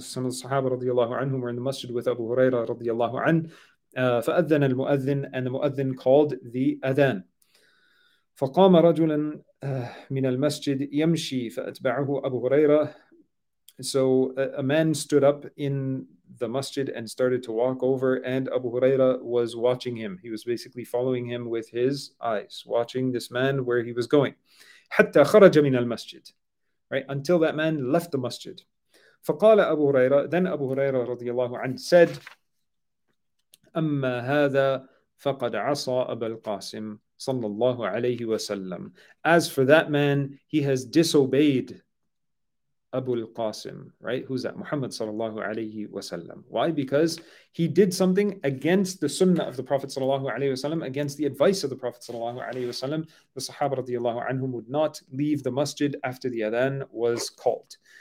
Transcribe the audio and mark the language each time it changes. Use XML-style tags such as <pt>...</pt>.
<en>Some of the Sahaba رضي الله عنهم were in the masjid with Abu Huraira رضي الله عنه.</en> <ar>فأذن المؤذن,</ar> <en>and the</en> <ar>مؤذن</ar> <en>called the</en> <ar>أذان. فقام رجلا من المسجد يمشي فأتبعه أبو هريرة.</ar> <en>So a man stood up in the masjid and started to walk over, and Abu Huraira was watching him. He was basically following him with his eyes, watching this man where he was going.</en> <ar>حتى خرج من المسجد, right?</ar> <en>Until that man left the masjid.</en> <ar>فقال أبو هريرة,</ar> <en>then Abu Huraira</en> <ar>رضي الله عنه</ar> <en>said,</en> <ar>أما هذا فقد عصى أبا القاسم صلى الله عليه وسلم.</ar> <en>As for that man, he has disobeyed Abu al-Qasim, right? Who's that? Muhammad sallallahu alayhi wa sallam. Why? Because he did something against the sunnah of the Prophet sallallahu alayhi wa sallam, against the advice of the Prophet sallallahu alayhi wa sallam. The Sahaba radiallahu anhum would not leave the masjid after the adhan was called.</en>